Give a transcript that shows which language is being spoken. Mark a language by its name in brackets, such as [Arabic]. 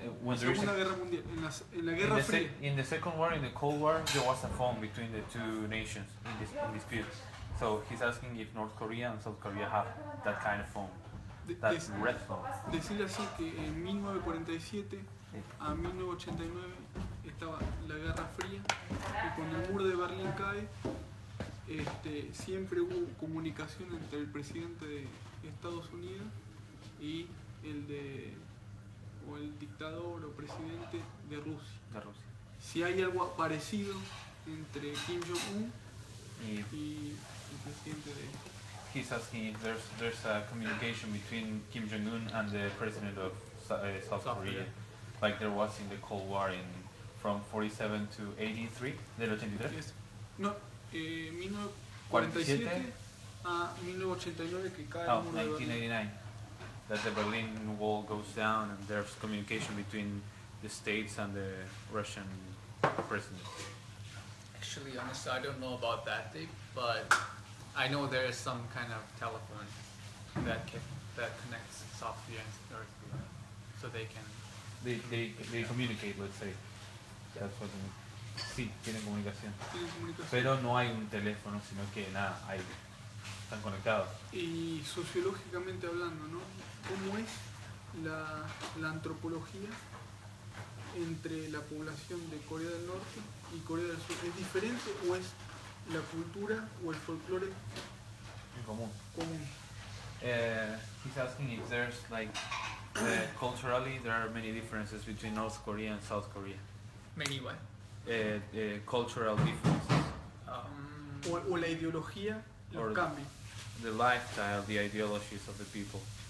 [English] In the Second War, in the Cold War, there was a phone between the two nations in dispute. So he's asking if North Korea and South Korea have that kind of phone, red phone. [Spanish] Decir así que en 1947 a 1989 estaba la Guerra Fría, y cuando el muro de Berlín cae, siempre hubo comunicación entre el presidente de Estados Unidos y el dictador o presidente de Rusia. Si hay algo parecido entre Kim Jong-un y el presidente de... [English] He's asking if there's a communication between Kim Jong-un and the president of South Korea. Like there was in the Cold War from 47 to 83, [Spanish] del 83? [English] Yes. [Spanish] No, 1947 a 1989 que cae el muro de Berlín. [English] 1989. That the Berlin Wall goes down and there's communication between the states and the Russian prisoners. Actually, honestly, I don't know about that thing, but I know there is some kind of telephone that connects South Korea and North Korea, so they can... They communicate, let's say. Yeah. That's what I mean. [Spanish] Sí, tienen comunicación. Pero no hay un teléfono, sino que nada, hay... Están conectados. Y sociológicamente hablando, ¿no? ¿Cómo es la antropología entre la población de Corea del Norte y Corea del Sur? ¿Es diferente o es la cultura o el folclore en común? Común. [English] He's asking if there's like culturally there are many differences between North Korea and South Korea. Many what? Cultural differences. [Spanish] O la ideología, los cambios. [English] The lifestyle, the ideologies of the people.